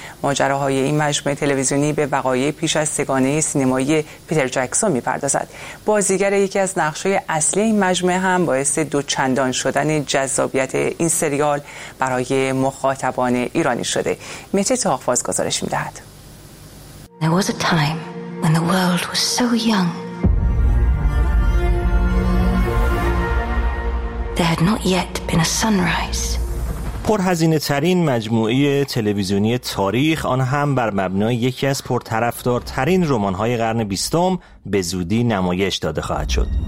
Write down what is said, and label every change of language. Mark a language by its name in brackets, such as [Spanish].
[Persian] ماجراهای این مجموعه تلویزیونی به وقایع پیش از سگانه سینمایی پیتر جکسون می‌پردازد. بازیگر یکی از نقش‌های اصلی این مجموعه هم باعث دوچندان شدن جذابیت این سریال برای مخاطبان ایرانی شده. مهدی تاخفاز گزارش می‌دهد. [English] When the world was so young, there had not yet been a sunrise. [Persian] پرهزینه ترین مجموعه تلویزیونی تاریخ، آن هم بر مبنای یکی از پرطرفدارترین رمان های قرن بیستم، به زودی نمایش داده خواهد شد.